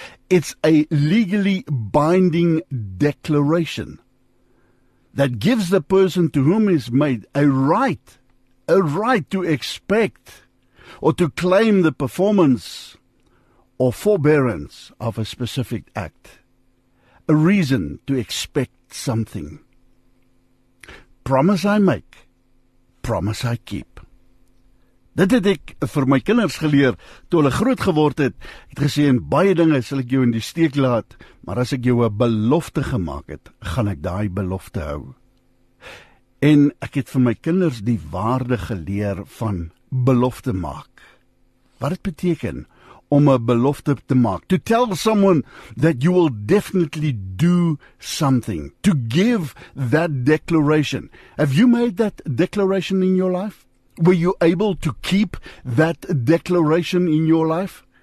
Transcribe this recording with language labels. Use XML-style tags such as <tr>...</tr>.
<en>It's a legally binding declaration that gives the person to whom it's made a right to expect or to claim the performance or forbearance of a specific act, a reason to expect something. Promise I make, promise I keep.</en> <af>Dit het ek vir my kinders geleer toe hulle groot geword het. Het gesê in baie dinge sal ek jou in die steek laat, maar as ek jou 'n belofte gemaak het, gaan ek daai belofte hou. En ek het vir my kinders die waarde geleer van belofte maak. Wat dit beteken om 'n belofte te maak?</af> <en>To tell someone that you will definitely do something. To give that declaration. Have you made that declaration in your life? Were you able to keep that declaration in your life?</en>